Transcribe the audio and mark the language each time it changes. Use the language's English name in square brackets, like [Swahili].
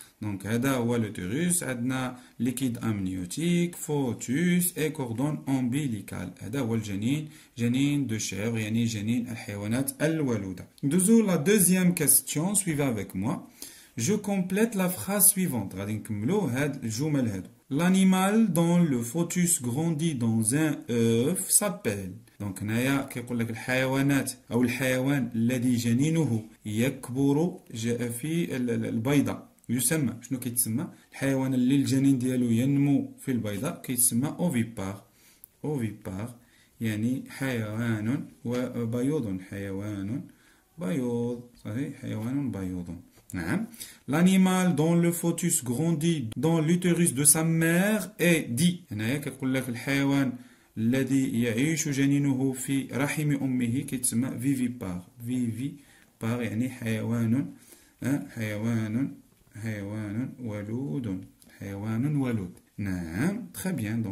[Arabic] دونك هذا هو لوتيروس، عندنا ليكيد امنيوتيك، فوتوس، اي كوردون امبيليكال، هذا هو الجنين، جنين دو شيفغ، يعني جنين الحيوانات الولوده. ندوزو لا دوزيام كاستيون، سويف افيك موا. جو كومبليت لا فراز سويفونت، غادي نكملو هاد الجمل هادو. [French] L'animal dont le foetus grandit dans un œuf s'appelle. [Arabic] Donc, هنايا كيقول لك الحيوانات أو الحيوان الذي جنينه يكبر جاء في البيضة يسمى، شنو كيتسمى؟ الحيوان اللي الجنين ديالو ينمو في البيضة كيتسمى أوفيبار. أوفيبار يعني حيوان وبيوض، حيوان بيوض، صحيح، حيوان بيوض. [French] L'animal dont le foetus grandit dans l'utérus de sa mère est dit. [Arabic] هنايا كيقول لك الحيوان الذي يعيش جنينه في رحم أمه كيتسمى فيفيبار. فيفيبار يعني حيوان، حيوان، حيوان ولود، حيوان ولود. [French] نعم، تخي بيان.